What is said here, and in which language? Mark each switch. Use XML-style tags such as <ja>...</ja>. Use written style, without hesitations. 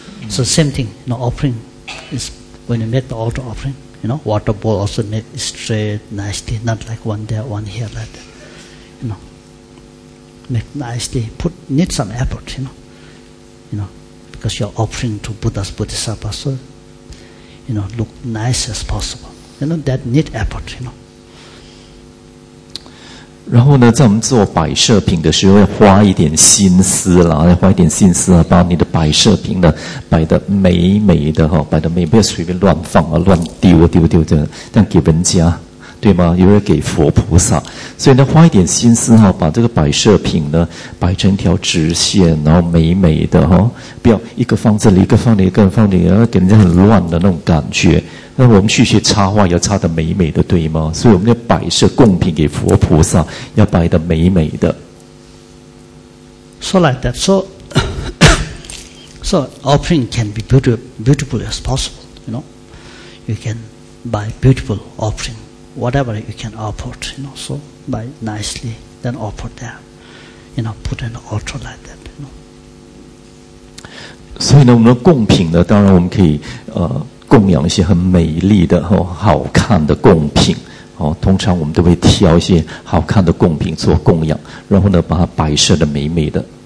<en>So same thing, you know, offering is when you make the altar offering, you know, water bowl also make straight, nicely, not like one there, one here like that. You know, make nicely, need some effort, you know, because you're offering to Buddha's Bodhisattva, so, you know, look nice as possible. You know, that need effort, you know.</en> <zh>然后呢，在我们做摆设品的时候，要花一点心思啦，要花一点心思啊，把你的摆设品呢摆得美美的哈、摆得美，不要随便乱放啊，乱丢这样，但给人家对吗？又要给佛菩萨，所以呢，花一点心思哈、把这个摆设品呢摆成一条直线，然后美美的哈、不要一个放这里，一个放那里，一个放那里，然后给人家很乱的那种感觉。那我们去学插画要插得美美的，对吗？所以我们要摆设供品给佛菩萨，要摆得美美的。</zh> <en>So like that. So, so offering can be beautiful as possible. You know, you can buy beautiful offering, whatever you can offer. You know, so buy nicely, then offer there. You know, put an altar like that. You know.</en> <zh>所以呢，我们的供品呢，当然我们可以供养一些很美丽的、好看的供品、通常我们都会挑一些好看的供品做供养，然后呢把它摆设得美美的。</zh>